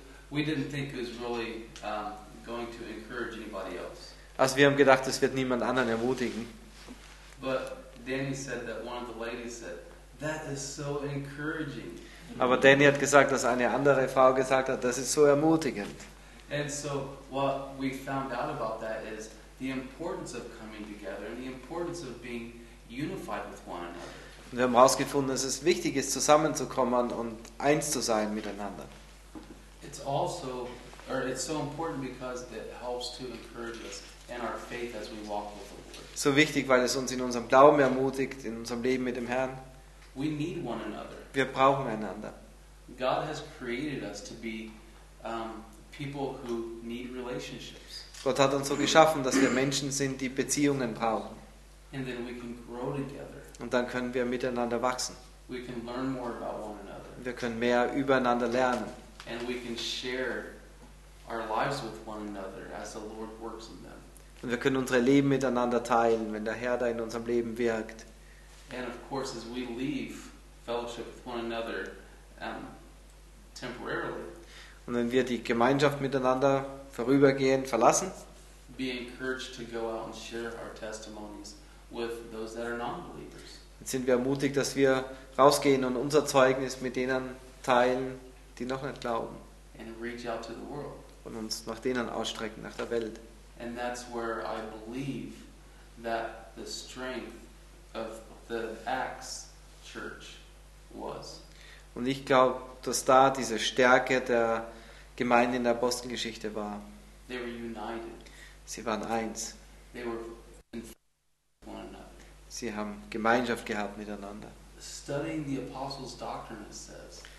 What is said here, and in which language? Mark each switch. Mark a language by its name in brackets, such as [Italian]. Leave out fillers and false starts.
[English] We didn't think it was really going to encourage anybody else. [German] Also wir haben gedacht, es wird niemand anderen ermutigen. [English] But Danny said that one of the ladies said, that is so encouraging. [German] Aber Danny hat gesagt, dass eine andere Frau gesagt hat, das ist so ermutigend. [English] And so what we found out about that is the importance of coming together and the importance of being unified with one another. [German] Und wir haben herausgefunden, dass es wichtig ist, zusammenzukommen und eins zu sein miteinander. [English] It's also, or it's so important because it helps to encourage us in our faith as we walk with the Lord. [German] So wichtig, weil es uns in unserem Glauben ermutigt, in unserem Leben mit dem Herrn. [English] We need one another. [German] Wir brauchen einander. [English] God has created us to be people who need relationships. [German] Gott hat uns so geschaffen, dass wir Menschen sind, die Beziehungen brauchen. [English] And then we can grow together. [German] Und dann können wir miteinander wachsen. [English] We can learn more about one another. [German] Wir können mehr übereinander lernen. [English] And we can share our lives with one another as the Lord works in them. [German] Und wir können unsere Leben miteinander teilen, wenn der Herr da in unserem Leben wirkt. [English] And of course, as we leave fellowship with one another temporarily. [German] Und wenn wir die Gemeinschaft miteinander vorübergehend verlassen. [English] Be encouraged to go out and share our testimonies with those that are non-believers. [German] Jetzt sind wir ermutigt, dass wir rausgehen und unser Zeugnis mit denen teilen, die noch nicht glauben. [English] And reach out to the world. [German] Und uns nach denen ausstrecken, nach der Welt. [English] And that's where I believe that the strength of the Acts church was. [German] Und ich glaube, dass da diese Stärke der Gemeinde in der Apostelgeschichte war. [English] They were united. [German] Sie waren eins. [English] They were in [German] Sie haben Gemeinschaft gehabt miteinander. [English] Studying the apostles' doctrine, it says.